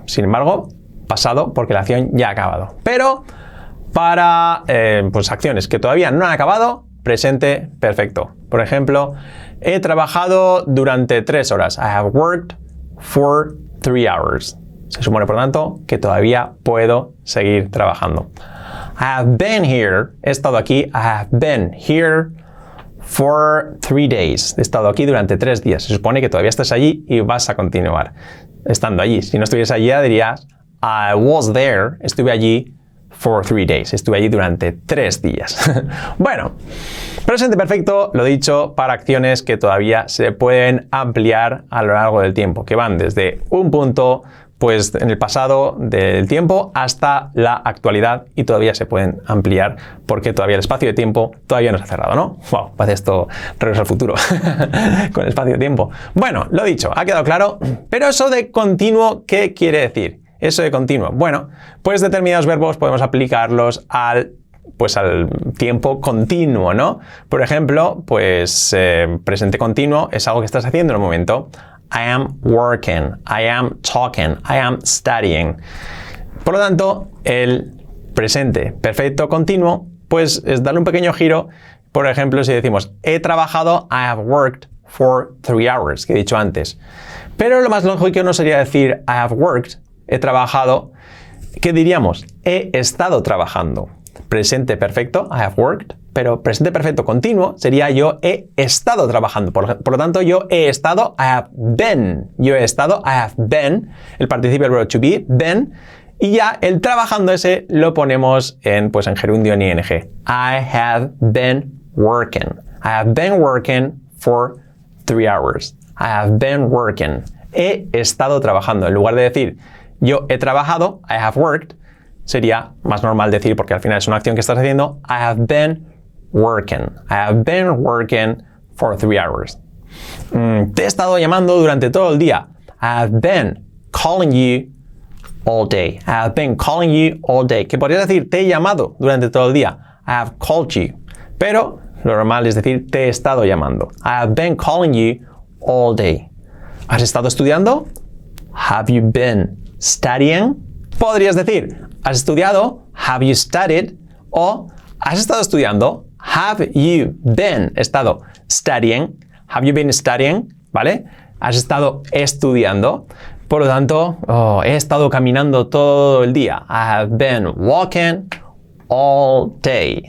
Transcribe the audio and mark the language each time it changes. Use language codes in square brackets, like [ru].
[es] Sin embargo, pasado, porque la acción ya ha acabado. Pero para acciones que todavía no han acabado, presente perfecto. Por ejemplo, he trabajado durante 3 horas. [en] I have worked for 3 hours. [es] Se supone, por lo tanto, que todavía puedo seguir trabajando. [en] I have been here. [es] He estado aquí. [en] I have been here for 3 days. [es] He estado aquí durante 3 días. Se supone que todavía estás allí y vas a continuar estando allí. Si no estuvieras allí, dirías [en] I was there. [es] Estuve allí for 3 days. Estuve allí durante 3 días. Bueno, presente perfecto, lo dicho, para acciones que todavía se pueden ampliar a lo largo del tiempo, que van desde un punto pues en el pasado del tiempo hasta la actualidad y todavía se pueden ampliar porque todavía el espacio de tiempo todavía no se ha cerrado, ¿no? Wow, parece esto regreso al futuro con el espacio de tiempo. Bueno, lo dicho, ha quedado claro, pero eso de continuo, ¿qué quiere decir? Eso de continuo. Bueno, pues determinados verbos podemos aplicarlos al tiempo continuo, ¿no? Por ejemplo, pues presente continuo es algo que estás haciendo en el momento. [en] I am working, I am talking, I am studying. [es] Por lo tanto, el presente perfecto continuo, pues es darle un pequeño giro. Por ejemplo, si decimos he trabajado, [en] I have worked for 3 hours, [es] que he dicho antes. Pero lo más lógico no sería decir [en] I have worked, [es] he trabajado. ¿Qué diríamos? He estado trabajando. Presente perfecto, [en] I have worked. [es] Pero presente perfecto continuo sería yo he estado trabajando. Por lo tanto, yo he estado, [en] I have been. [es] Yo he estado, I have been. El participio del verbo to be, been. Y ya el trabajando ese lo ponemos en gerundio, en ing. [en] I have been working. I have been working for 3 hours. I have been working. [es] He estado trabajando. En lugar de decir yo he trabajado, [en] I have worked, [es] sería más normal decir, porque al final es una acción que estás haciendo, [en] I have been working. I have been working for 3 hours. [es] Te he estado llamando durante todo el día. [en] I have been calling you all day. [es] I have been calling you all day. Que podrías decir, te he llamado durante todo el día. [en] I have called you. [es] Pero lo normal es decir te he estado llamando. [en] I have been calling you all day. [es] ¿Has estado estudiando? [en] Have you been studying? [es] Podrías decir, ¿has estudiado? [en] Have you studied? [es] O, ¿has estado estudiando? [en] Have you been estado studying? Have you been studying? [es] ¿Vale? ¿Has estado estudiando? Por lo tanto, he estado caminando todo el día. [en] I have been walking all day.